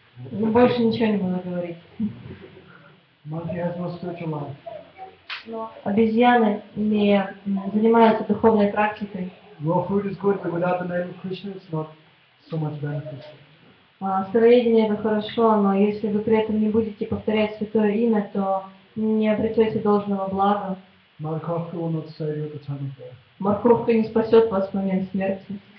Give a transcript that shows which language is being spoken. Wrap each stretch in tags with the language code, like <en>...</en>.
<ru>Ну, больше ничего не буду говорить.</ru> <en>Monkey has no spiritual life.</en> <ru>Обезьяны не занимаются духовной практикой.</ru> <en>Raw food is good, but without the name of Krishna, it's not so much beneficial.</en> <ru>Сыроедение это хорошо, но если вы при этом не будете повторять святое имя, то не обретете должного блага.</ru> <en>Морковка will not save you at the time of death.</en> <ru>Морковка не спасет вас в момент смерти.</ru>